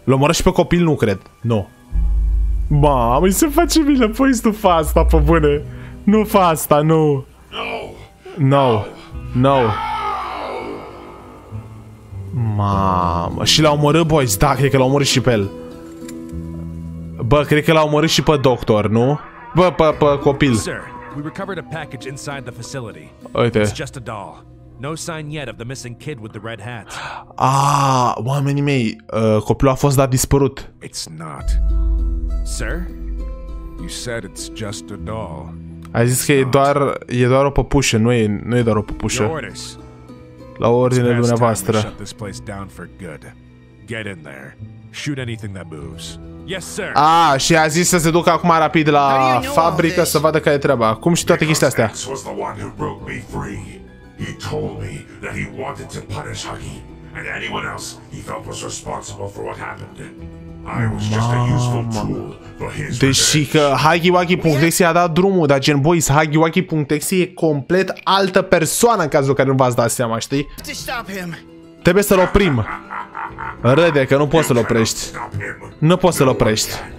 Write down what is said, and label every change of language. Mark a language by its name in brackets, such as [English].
[Romanian] L-a omorât și pe copil, nu cred. Nu. Mamă, se face milă, boys, nu fa asta, pe bune. Nu fa asta, nu. [English] No. No. No. No. [Romanian] Mamă, și l-a omorât, boys, da, cred că l-a omorât și pe el. Bă, cred că l-a omorât și pe doctor, nu? Bă, pe copil. [English] Sir, we recovered a package inside the facility. [Romanian] Uite. [English] It's just a doll. No sign yet of the missing kid with the red hat. [Romanian] Ah, oamenii mei, copilul a fost dat dispărut. [English] It's not. Sir, you said it's just a doll. [Romanian] Ai zis că e doar o păpușă, nu e doar o păpușă. La ordine dumneavoastră. [English] Shut this place down for good. Get in there. Shoot anything that moves. Yes, sir. [Romanian] Ah, și a zis să se ducă acum rapid la fabrică să vadă care e treaba. Cum și toate chestia astea? [English] X was the one who broke me free. He told me that he wanted to punish Huggy and anyone else he felt was responsible for what happened. I was just a useful tool for his revenge. [Romanian] Deși că Huggy.exe a dat drumul, dar gen boys, Huggy.exe e complet altă persoană în cazul care nu v-ați dat seama, știi? Trebuie să-l oprim. Râde că nu poți să-l oprești. Nu poți să-l oprești.